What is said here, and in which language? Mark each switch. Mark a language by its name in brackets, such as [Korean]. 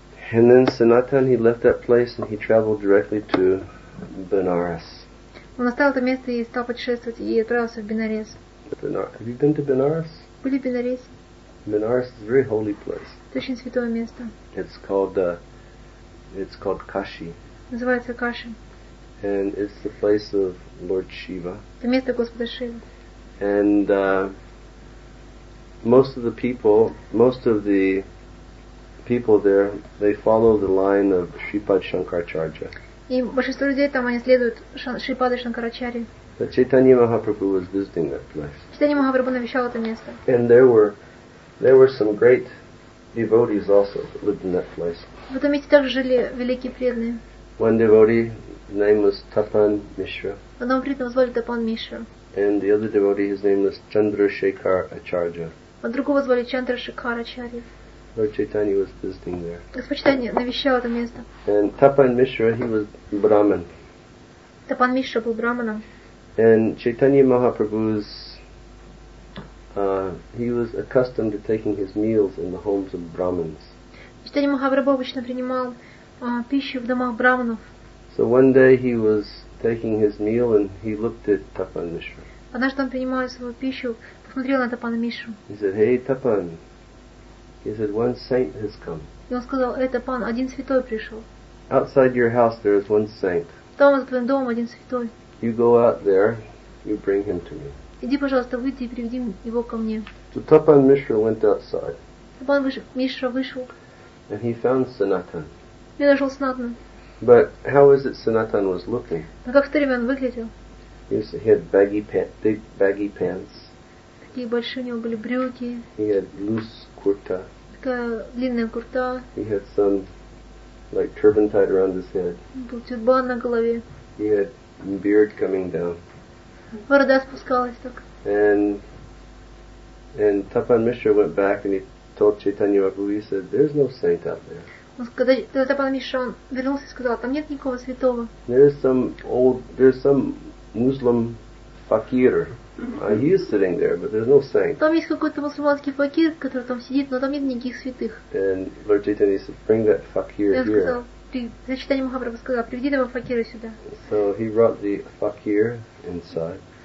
[English] And then Sanatan, he left that place and he traveled directly to Benares. [Russian] Он оставил это место и стал путешествовать и отправился в Бенарес. [English] Have you been to Benares? [Russian] Были в Бенарес. [English] Benares is a very holy place. [Russian] Это очень святое место. [English] It's called Kashi. [Russian] Называется Каши. [English] And it's the place of Lord Shiva. [Russian] Это место Господа Шивы. [English] And most of the people, most of the people there, they follow the line of Shripad Shankaracharya. [Russian] И большинство людей там они следуют Шрипаде Шанкарачарье. [English] But Chaitanya Mahaprabhu was visiting that place. [Russian] Chaitanya Mahaprabhu навещал это место. [English] And there were some great devotees also that lived in that place. [Russian] В этом месте также жили великие преданные. [English] One devotee, his name was Tapan Mishra. [Russian] Одного преданного звали Тапан Мишра. [English] And the other devotee, his name was Chandrasekhar Acharya. [Russian] А другого звали Чандрашекар Ачарья. [English] Lord Chaitanya was visiting there. [Russian] Господь Чайтанья навещал это место. [English] And Tapan Mishra, he was Brahman. [Russian] Тапан Мишра был Брахманом. [English] And Chaitanya Mahaprabhu's he was accustomed to taking his meals in the homes of Brahmins. [Russian] Chaitanya Mahaprabhu обычно принимал пищу в домах Брахманов. [English] So one day he was taking his meal and he looked at Tapan Mishra. [Russian] Однажды он принимал свою пищу, посмотрел на Тапана Мишру. [English] He said, "Hey, Tapan." He said, "One saint has come." [Russian] И он сказал, "Эй, Тапан, один святой пришел." [English] Outside your house there is one saint. [Russian] Дома за твоим домом один святой. [English] You go out there, you bring him to me. [Russian] Иди, пожалуйста, выйди и приведи его ко мне. [English] So Tapan Mishra went outside. [Russian] Тапан Мишра вышел. [English] And he found Sanatan. [Russian] И нашел Санатана. [English] But how is it Sanatan was looking? [Russian] Но как в то время он выглядел? [English] He had baggy pants, big baggy pants. [Russian] Такие большие у него были брюки. [English] He had loose kurta. [Russian] Такая длинная курта. [English] He had some like turban tied around his head. [Russian] Был тюрбан на голове. [English] He had beard coming down. [Russian] Борода спускалась так. [English] And Tapan Mishra went back and he told Chaitanya Mahaprabhu, he said, "There's no saint out there." [Russian] Когда Тапан Мишра вернулся и сказал, там нет никого святого. [English] There's some Muslim fakir. He is sitting there, but there's no saint. [Russian] Там есть какой-то мусульманский факир, который там сидит, но там нет никаких святых. [English] And Lord Chaitanya said, "Bring that fakir here." [Russian] Чайтанья Махапрабху сказал, приведи этого факира сюда. [English] So he brought the fakir inside.